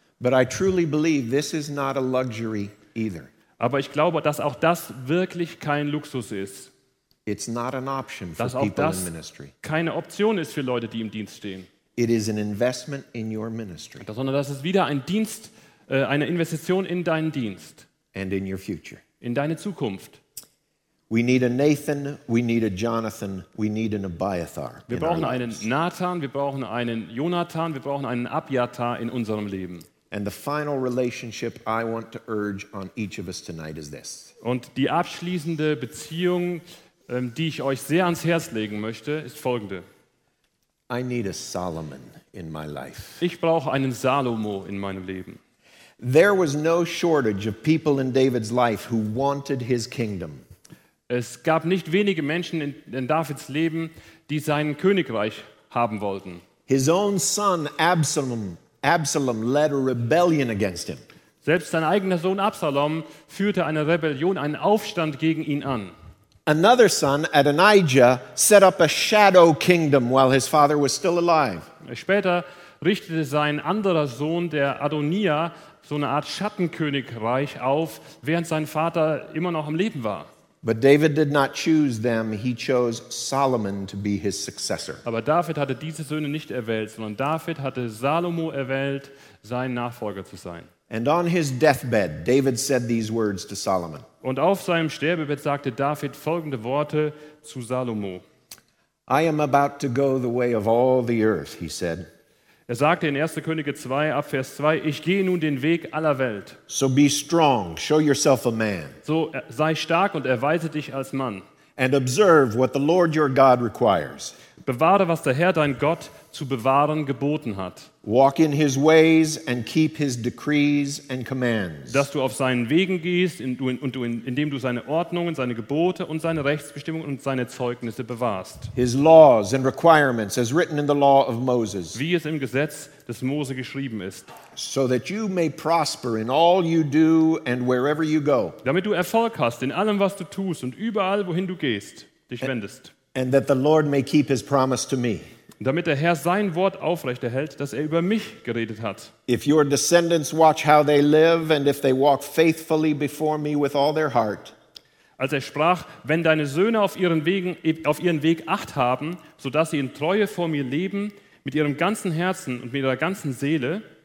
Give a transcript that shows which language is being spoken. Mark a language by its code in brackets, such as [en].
[en] But I truly believe this is not a luxury either. [de] Aber ich glaube, dass auch das wirklich kein Luxus ist. [en] It's not an option for [de] dass auch das [en] in ministry. [de] Keine Option ist für Leute, die im Dienst stehen. [en] It is an investment in your ministry. [de] Sondern das ist wieder ein Dienst, eine Investition in deinen Dienst. [en] And in your future. [de] In deine Zukunft. [en] We need a Nathan, we need a Jonathan, we need an Abiathar. [de] Wir brauchen einen Nathan, wir brauchen einen Jonathan, wir brauchen einen Abiathar in unserem Leben. [en] And the final relationship I want to urge on each of us tonight is this. [de] Und die abschließende Beziehung, die ich euch sehr ans Herz legen möchte, ist folgende. [en] I need a Solomon in my life. [de] Ich brauche einen Salomo in meinem Leben. [en] There was no shortage of people in David's life who wanted his kingdom. [de] Es gab nicht wenige Menschen in Davids Leben, die sein Königreich haben wollten. [en] His own son Absalom led a rebellion against him. [de] Selbst sein eigener Sohn Absalom führte eine Rebellion, einen Aufstand gegen ihn an. [en] Another son, Adonijah, set up a shadow kingdom while his father was still alive. [de] Später richtete sein anderer Sohn, der Adonia, so eine Art Schattenkönigreich auf, während sein Vater immer noch am Leben war. [en] But David did not choose them, he chose Solomon to be his successor. [de] Aber David hatte diese Söhne nicht erwählt, sondern David hatte Salomo erwählt, sein Nachfolger zu sein. [en] And on his deathbed, David said these words to Solomon. [de] Und auf seinem Sterbebett sagte David folgende Worte zu Salomo. [en] I am about to go the way of all the earth, he said. [de] Er sagte in 1. Könige 2, Abvers 2, ich gehe nun den Weg aller Welt. [en] So be strong, show yourself a man. [de] So sei stark und erweise dich als Mann. [en] And observe what the Lord your God requires. [de] Bewahre, was der Herr, dein Gott, zu bewahren geboten hat. [en] Walk in his ways and keep his decrees and commands. [de] Dass du auf seinen Wegen gehst indem du seine Ordnungen, seine Gebote und seine Rechtsbestimmungen und seine Zeugnisse bewahrst. [en] His laws and requirements as written in the law of Moses. [de] Wie es im Gesetz des Mose geschrieben ist. [en] So that you may prosper in all you do and wherever you go. [de] Damit du Erfolg hast in allem, was du tust und überall, wohin du gehst, dich wendest. [en] And that the Lord may keep his promise to me. [de] Damit der Herr sein Wort aufrechterhält, das er über mich geredet hat. [en] If your descendants watch how they live and if they walk faithfully before me with all their heart. [de] Als er sprach, wenn deine Söhne auf ihren Weg Acht haben, so dass sie in Treue vor mir leben mit ihrem ganzen Herzen und mit ihrer ganzen Seele,